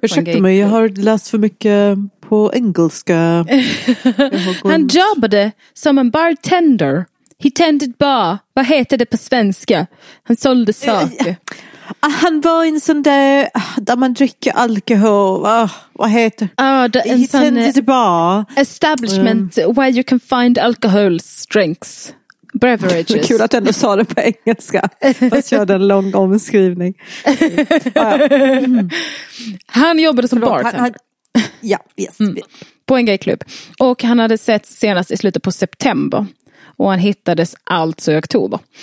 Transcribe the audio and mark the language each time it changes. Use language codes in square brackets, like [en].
[sv] Ursäkta mig, jag har läst för mycket på engelska. Han jobbade som en bartender. [en] He tended bar. [sv] Vad heter det på svenska? Han sålde saker. Han var en sån där, där man dricker alkohol. Vad heter det? [en] He tended bar. Establishment where you can find alcohol, drinks, beverages. [sv] Det är kul att du ändå sa det på engelska. Fast jag hade en lång omskrivning. Han jobbade som bartender. På en gayklubb. Och han hade sett senast i slutet på september. Och han hittades alltså i oktober.